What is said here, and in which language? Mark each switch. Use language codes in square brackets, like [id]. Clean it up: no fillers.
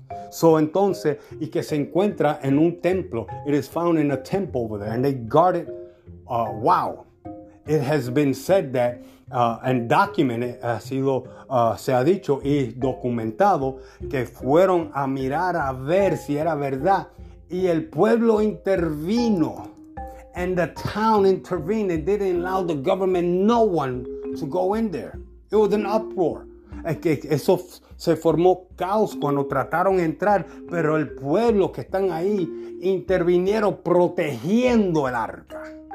[es] So, entonces, y que se encuentra en un templo. [en] It is found in a temple over there, and they guard it. Wow. It has been said that and documented, [es] se ha dicho y documentado que fueron a mirar a ver si era verdad. Y el pueblo intervino. [en] And the town intervened. It didn't allow the government, no one, to go in there. It was an uproar. [es] Eso se formó caos cuando trataron de entrar. Pero el pueblo que están ahí intervinieron protegiendo el arca.